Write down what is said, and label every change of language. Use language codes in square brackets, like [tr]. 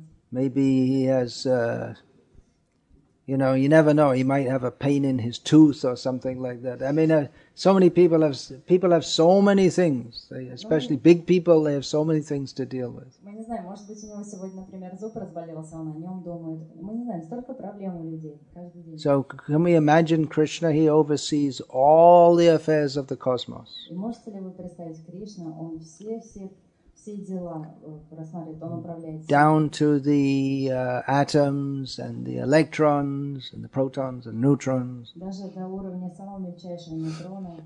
[en] Maybe he has, you never know. He might have a pain in his tooth or something like that. I mean, so many people have so many things. They, especially big people, they have so many things to deal with. [ru] Мы не знаем, может быть, у него сегодня, например, зуб разболелся, он о нем думает. Мы не знаем, столько проблем у людей каждый день. [en] So can we imagine Krishna, he oversees all the affairs of the cosmos. [ru] И можете ли вы представить Кришна, он все дела рассматривает, он управляет. [en] Down to the atoms and the electrons and the protons and neutrons. [ru] Даже до уровня самого мельчайшего нейтрона.